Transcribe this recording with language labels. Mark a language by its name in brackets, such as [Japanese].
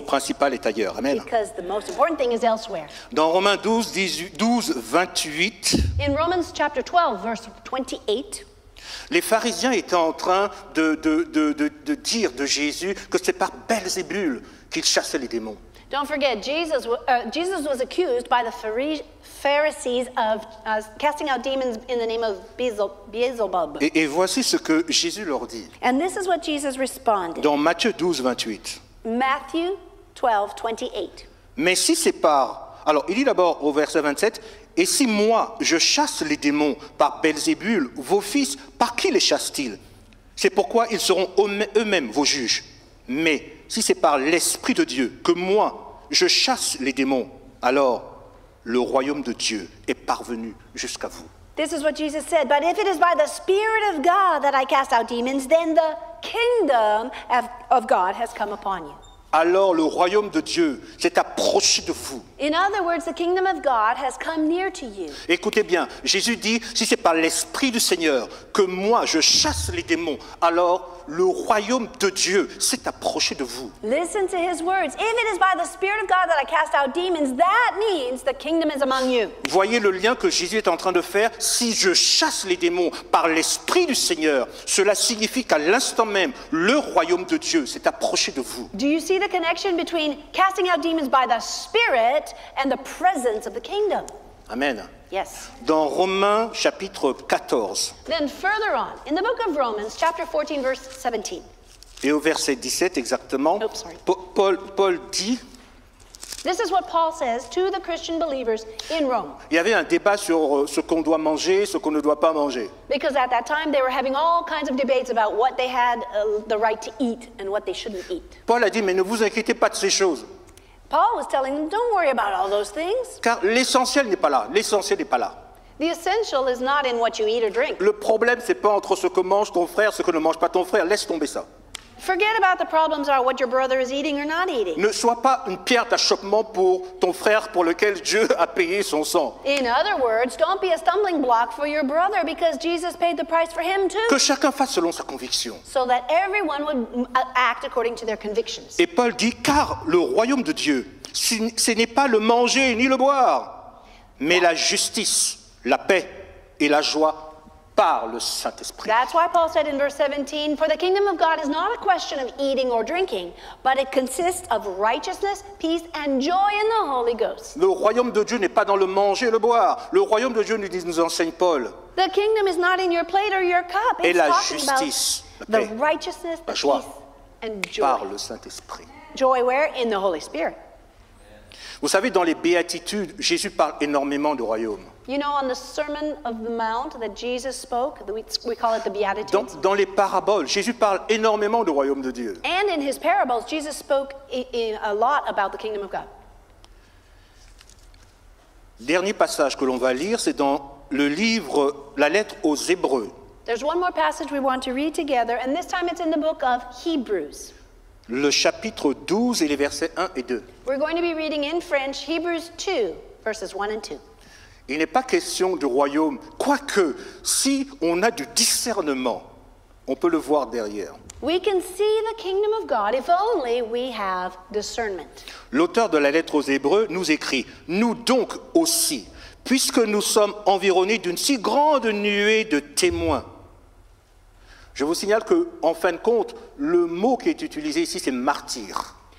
[French] Le principal est ailleurs. Amen. [English] Because the most important thing is elsewhere. [French] Dans Romains 12, 28. [English] In Romans chapter 12, verse 28. [French] Les pharisiens étaient en train de dire de Jésus que c'est par Belzébul qu'il chassait les démons. [English] Don't forget, Jesus was accused by the Pharisees of casting out demons in the name of Beelzebub. [French] Et voici ce que Jésus leur dit. [English] And this is what Jesus responded. [French] Dans Matthieu 12, 28. [English] Matthew 12, 28. [French] Mais si c'est par... Alors, il dit d'abord au verset 27, « Et si moi, je chasse les démons par Beelzebul, vos fils, par qui les chassent-ils? C'est pourquoi ils seront eux-mêmes vos juges. Mais si c'est par l'Esprit de Dieu que moi, je chasse les démons, alors le royaume de Dieu est parvenu jusqu'à vous. » [English] This is what Jesus said, but if it is by the Spirit of God that I cast out demons, then the kingdom of God has come upon you. [French] Alors le royaume de Dieu s'est approché de vous. [English] In other words, the kingdom of God has come near to you. [French] Écoutez bien, Jésus dit, si c'est par l'Esprit du Seigneur que moi je chasse les démons, alors le royaume de Dieu s'est approché de vous. [English] Listen to his words. If it is by the Spirit of God that I cast out demons, that means the kingdom is among you. [French] Voyez le lien que Jésus est en train de faire. Si je chasse les démons par l'Esprit du Seigneur, cela signifie qu'à l'instant même, le royaume de Dieu s'est approché de vous. [English] Do you see the connection between casting out demons by the Spirit and the presence of the kingdom? Amen. Yes. [French] Dans Romains chapitre 14. [English] Then further on, in the book of Romans, chapter 14, verse 17. [French] Et au verset 17 exactement. [English] Oops, sorry. [French] Paul dit. [English] This is what Paul says to the Christian believers in Rome. [French] Il y avait un débat sur ce qu'on doit manger, ce qu'on ne doit pas manger. [English] Because at that time they were having all kinds of debates about what they had the right to eat and what they shouldn't eat. [French] Paul a dit, mais ne vous inquiétez pas de ces choses. [English] Paul was telling them, don't worry about all those things. [French] Car l'essentiel n'est pas là. L'essentiel n'est pas là. [English] The essential is not in what you eat or drink. [French] Le problème, c'est pas entre ce que mange ton frère, ce que ne mange pas ton frère. Laisse tomber ça. [English] Forget about the problems about what your brother is eating or not eating. [French] Ne sois pas une pierre d'achoppement pour ton frère pour lequel Dieu a payé son sang. [English] In other words, don't be a stumbling block for your brother because Jesus paid the price for him too. [French] Que chacun fasse selon sa conviction. [English] So that everyone would act according to their convictions. [French] Et Paul dit, car le royaume de Dieu, ce n'est pas le manger ni le boire, mais la justice, la paix et la joie. Par le Saint-Esprit. [English] That's why Paul said in verse 17, for the kingdom of God is not a question of eating or drinking, but it consists of righteousness, peace, and joy in the Holy Ghost. [French] Le royaume de Dieu n'est pas dans le manger et le boire. Le royaume de Dieu, nous enseigne Paul. [English] The kingdom is not in your plate or your cup. [French] Et [English] it's [French] la [English] talking [French] justice, [English] about [French] paix, [English] the righteousness, the [French] joie, [English] peace, and joy. [French] Par le Saint-Esprit. [English] Joy where? In the Holy Spirit. [French] Vous savez, dans les Béatitudes, Jésus parle énormément du royaume. [English] You know, on the Sermon of the Mount that Jesus spoke, we call it the Beatitudes. [French] Dans les paraboles, Jésus parle énormément du royaume de Dieu. [English] And in his parables, Jesus spoke a lot about the kingdom of God. [French] Dernier passage que l'on va lire, c'est dans le livre, la lettre aux Hébreux. [English] There's one more passage we want to read together, and this time it's in the book of Hebrews. [French] Le chapitre 12 et les versets 1 et 2. [English] We're going to be reading in French, Hebrews 2, verses 1 and 2. [French] Il n'est pas question du royaume, quoique si on a du discernement, on peut le voir derrière. [English] We can see the kingdom of God if only we have discernment. [French] L'auteur de la lettre aux Hébreux nous écrit, « Nous donc aussi, puisque nous sommes environnés d'une si grande nuée de témoins. » Je vous signale que, en fin de compte, le mot qui est utilisé ici, c'est « martyr ».